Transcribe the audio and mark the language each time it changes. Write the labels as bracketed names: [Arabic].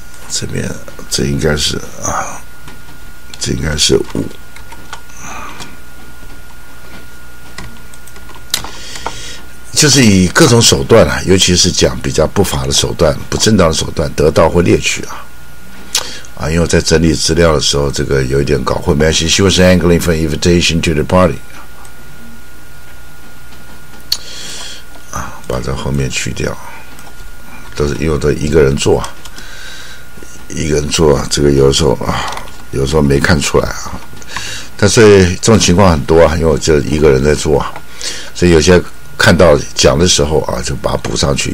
[Chinese] 这边这应该是啊，这应该是五。就是以各种手段啊，尤其是讲比较不法的手段、不正当的手段得到或猎取啊。啊，因为在整理资料的时候，这个有一点搞混，没关系。 [English] She was angling for invitation to the party。 [Chinese] 啊，把这后面去掉，都是因为都一个人做，一个人做，这个有的时候啊，有的时候没看出来啊。但是这种情况很多啊，因为就一个人在做啊，所以有些看到讲的时候啊，就把它补上去。